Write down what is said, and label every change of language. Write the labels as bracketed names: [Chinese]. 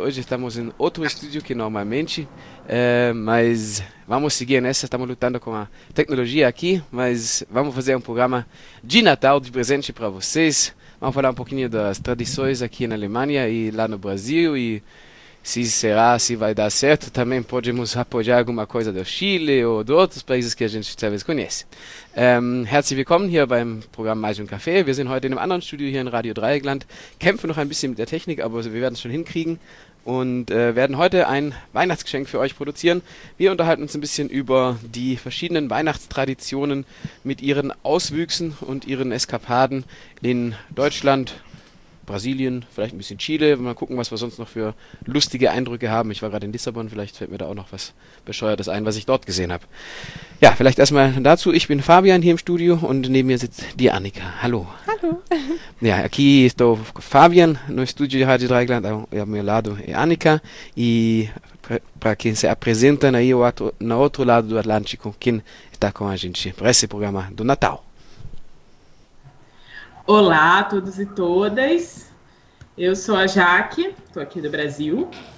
[Portuguese] Hoje estamos em outro estúdio que normalmente, mas vamos seguir nessa, estamos lutando com a tecnologia aqui, mas vamos fazer um programa de Natal, de presente para vocês. Vamos falar um pouquinho das tradições aqui na Alemanha e lá no Brasil, e se será, se vai dar certo, também podemos apoiar alguma coisa do Chile ou de outros países que a gente talvez conhece. [German] Herzlich willkommen hier beim Programm Mais um Café. Wir sind heute in einem anderen Studio hier in Radio Dreieckland, kämpfen noch ein bisschen mit der Technik, aber wir werden es schon hinkriegen und werden heute ein Weihnachtsgeschenk für euch produzieren. Wir unterhalten uns ein bisschen über die verschiedenen Weihnachtstraditionen mit ihren Auswüchsen und ihren Eskapaden in Deutschland, Brasilien, vielleicht ein bisschen Chile, mal gucken, was wir sonst noch für lustige Eindrücke haben. Ich war gerade in Lissabon, vielleicht fällt mir da auch noch was Bescheuertes ein, was ich dort gesehen habe. Ja, vielleicht erstmal dazu. Ich bin Fabian hier im Studio und neben mir sitzt die Annika. Hallo. Hallo. [Portuguese] Ja, aqui estou Fabian, no estúdio de Rádio Dreieckland, ao meu lado é Annika. E para quem se apresenta, aí no outro lado do Atlântico, quem está com a gente para esse programa do Natal. Olá a todos e todas, eu sou a Jaque, estou aqui do Brasil.